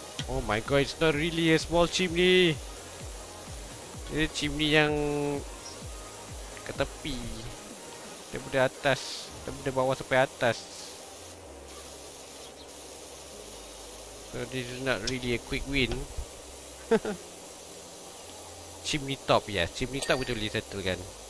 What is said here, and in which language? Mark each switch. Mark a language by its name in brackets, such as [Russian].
[English] Oh my god, it's not really a small chimney. [Malay] Ini chimney yang ke tepi. Daripada atas, daripada bawah sampai atas. [English] So this is not really a quick win. [Malay] Chimney top, yeah. Chimney top kita boleh settle kan.